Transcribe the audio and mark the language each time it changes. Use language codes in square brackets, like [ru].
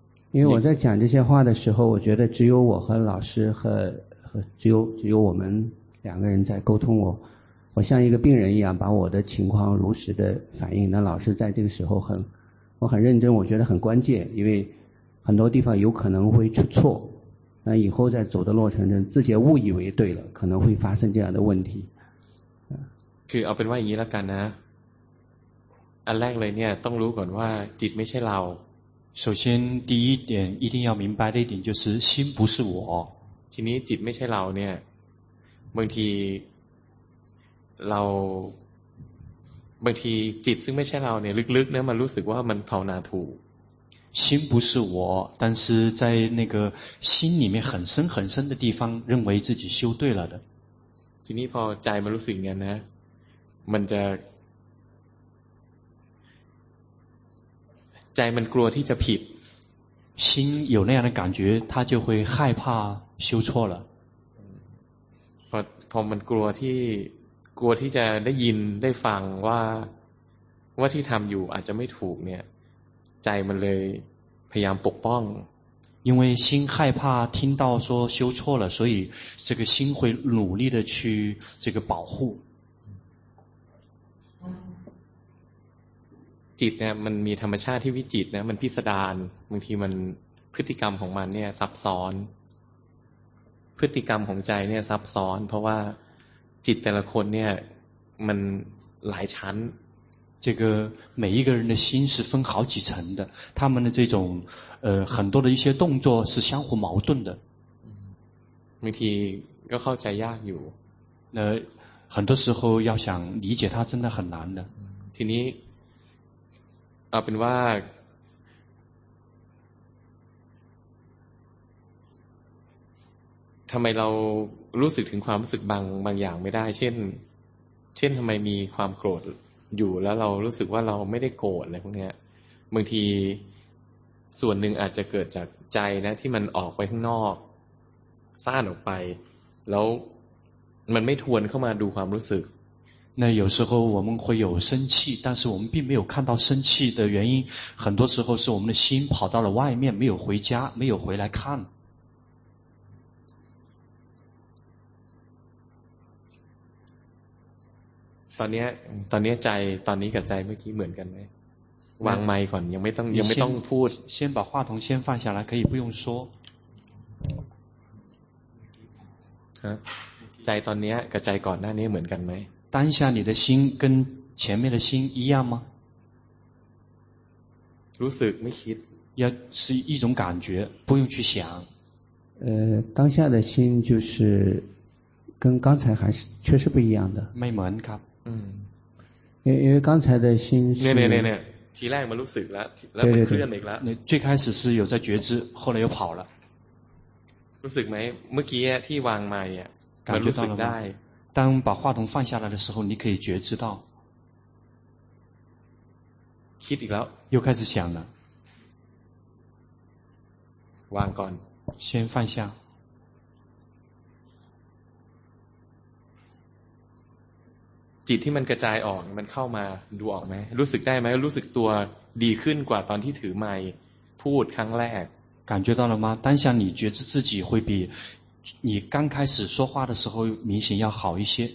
[zh] 因为我在讲这些话的时候我觉得只有我和老师和只有我们两个人在沟通，我像一个病人一样把我的情况如实的反映。那老师在这个时候我很认真，我觉得很关键，因为很多地方有可能会出错，那以后在走的路程中自己误以为对了，可能会发生这样的问题。 [th] คือเอาเป็นว่าอย่างนี้ละกันนะอันแรกเลยเนี่ยต้องรู้ก่อนว่าจิตไม่ใช่เรา [zh] 首先第一点一定要明白的一点就是心不是我 [th] ทีนี้จิตไม่ใช่เราเนี่ยบางทีเราบางทีจิตซึ่งไม่ใช่เราเนี่ยลึกๆเนี่ยมันรู้สึกว่ามันภาวนาถูก [zh] 心不是我但是在那个心里面很深很深的地方认为自己修对了的 [th] ทีนี้พอใจมันรู้สึกอย่างนั้นนะมันจะใจมันกลัวที่จะผิด [zh] 心有那样的感觉他就会害怕修错了 [th] พอมันกลัวที่จะได้ยินได้ฟังว่าที่ทำอยู่อาจจะไม่ถูกเนี่ยใจมันเลยพยายามปกป้อง [zh] 因为心害怕听到说修错了所以这个心会努力的去这个保护 [th] จิตเนี่ยมันมีธรรมชาติที่วิจิตนะมันพิสดารบางทีมันพฤติกรรมของมันเนี่ยซับซ้อนพฤติกรรมของใจเนี่ยซับซ้อนเพราะว่าจิตแต่ละคนเนี่ยมันหลายชั้น [zh] 这个每一个人的心是分好几层的他们的这种很多的一些动作是相互矛盾的 [th] บางทีก็เข้าใจยากอยู่ [zh] 那很多时候要想理解他真的很难的 [th] ทีนี้เอาเป็นว่าทำไมเรารู้สึกถึงความรู้สึกบางอย่างไม่ได้เช่นทำไมมีความโกรธอยู่แล้วเรารู้สึกว่าเราไม่ได้โกรธอะไรพวกนี้บางทีส่วนหนึ่งอาจจะเกิดจากใจนะที่มันออกไปข้างนอกซ่านออกไปแล้วมันไม่ทวนเข้ามาดูความรู้สึก [zh] 那有时候我们会有生气但是我们并没有看到生气的原因很多时候是我们的心跑到了外面没有回家没有回来看 [th] ตอนนี้ใจตอนนี้กับใจเมื่อกี้เหมือนกันไหมวางไมค์ก่อนยังไม่ต้องพูด [zh] 先把话筒先放下来可以不用说 [th] ฮะใจตอนนี้กับใจก่อนหน้านี้เหมือนกันไหม [zh] 当下你的心跟前面的心一样吗 [th] รู้สึกไม่คิด [zh] 要是一种感觉不用去想当下的心就是跟刚才还是确实不一样的 [th] ไม่เหมือนครับ [zh] 因为刚才的心是 [th] เนี่ยทีแรกมันรู้สึกแล้วมันเคลื่อนอีกแล้ว [zh] 最开始是有在觉知后来又跑了 [th] รู้สึกไหมเมื่อกี้ที่วางไมค์อ่ะมันรู้สึกได้ [zh] 当把话筒放下来的时候你可以觉知到 [th] คิดอีกแล้ว [zh] 又开始想了 [th] วางก่อน [zh] 先放下 [th] จิตที่มันกระจายออกมันเข้ามาดูออกไหมรู้สึกได้ไหมรู้สึกตัวดีขึ้นกว่าตอนที่ถือไมค์พูดครั้งแรก [zh] 感觉到了吗当下你觉知自己会比你刚开始说话的时候明显要好一些